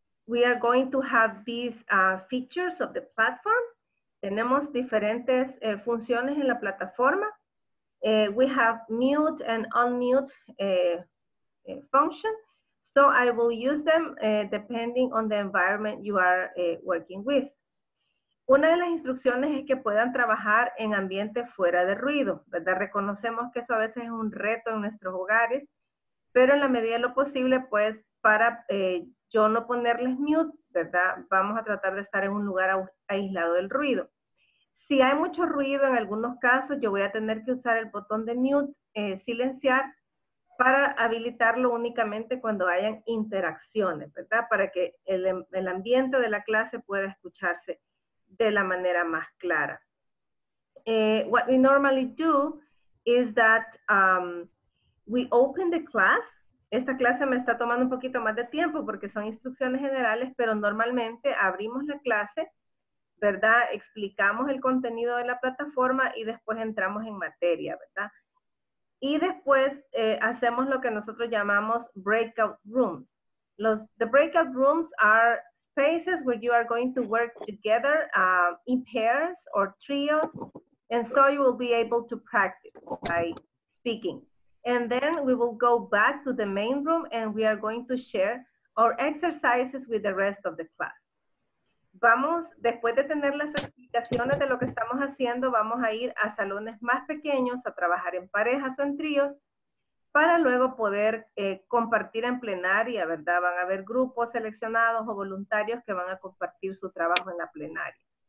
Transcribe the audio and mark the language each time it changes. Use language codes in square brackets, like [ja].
[en] We are going to have these features of the platform. Tenemos diferentes funciones en la plataforma. We have mute and unmute function. So I will use them depending on the environment you are working with. [es] Una de las instrucciones es que puedan trabajar en ambientes fuera de ruido, ¿verdad? Reconocemos que eso a veces es un reto en nuestros hogares, pero en la medida de lo posible, pues, para yo no ponerles mute, ¿verdad? Vamos a tratar de estar en un lugar aislado del ruido. Si hay mucho ruido en algunos casos, yo voy a tener que usar el botón de mute, silenciar, para habilitarlo únicamente cuando hayan interacciones, ¿verdad? Para que el ambiente de la clase pueda escucharse de la manera más clara. [en] What we normally do is that we open the class. [es] Esta clase me está tomando un poquito más de tiempo porque son instrucciones generales, pero normalmente abrimos la clase, ¿verdad? Explicamos el contenido de la plataforma y después entramos en materia, ¿verdad? Y después hacemos lo que nosotros llamamos breakout rooms. [en] The breakout rooms are spaces where you are going to work together in pairs or trios, and so you will be able to practice by speaking. And then we will go back to the main room and we are going to share our exercises with the rest of the class. [es] Vamos, después de tener las explicaciones de lo que estamos haciendo, vamos a ir a salones más pequeños a trabajar en parejas o en tríos para luego poder compartir en plenaria, ¿verdad? Van a haber grupos seleccionados o voluntarios que van a compartir su trabajo en la plenaria.